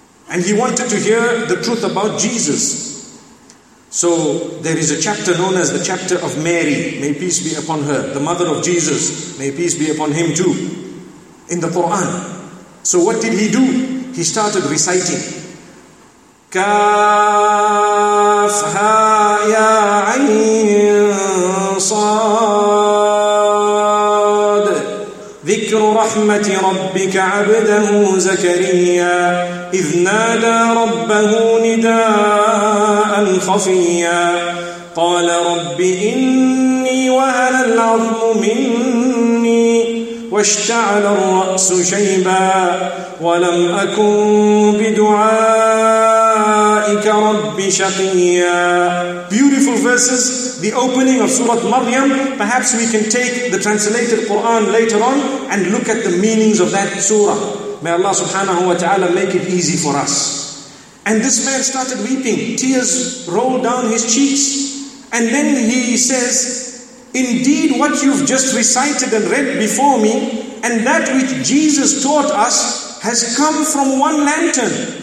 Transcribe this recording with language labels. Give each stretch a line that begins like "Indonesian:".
English: And he wanted to hear the truth about Jesus. So there is a chapter known as the chapter of Mary, may peace be upon her, the mother of Jesus, may peace be upon him too, in the Quran. So what did he do? He started reciting.
Arabic: Kafha ya Ainsad, ذكر رحمة ربك عبده زكريا إذ نادى ربه نداء خفيا قال رب إني وهن العظم مني واشتعل الرأس شيبا ولم أكن بدعائك رب شقيا.
English: Beautiful verses, the opening of Surah Maryam. Perhaps we can take the translated Quran later on and look at the meanings of that surah. May Allah subhanahu wa ta'ala make it easy for us. And this man started weeping, tears rolled down his cheeks. And then he says, indeed what you've just recited and read before me, and that which Jesus taught us, has come from one lantern.